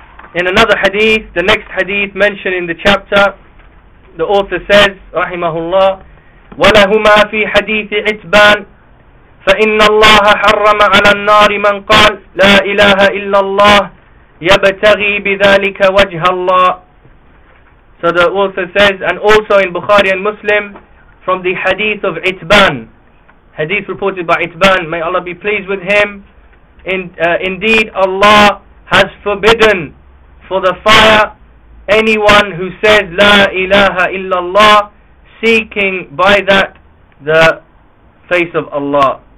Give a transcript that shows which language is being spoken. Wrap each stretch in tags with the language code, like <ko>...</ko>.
<en>In another hadith, the next hadith mentioned in the chapter, the author says,</en> <ar>"Rahimahullah, walahuma fi hadith itban." فإن الله حرم على النار من قال لا إله إلا الله يبتغي بذلك وجه الله.</ar> <en>So the author says, and also in Bukhari and Muslim, from the hadith of Itban, hadith reported by Itban, may Allah be pleased with him, indeed Allah has forbidden for the fire anyone who says</en> <ar>لا إله إلا الله,</ar> <en>seeking by that the face of Allah.</en>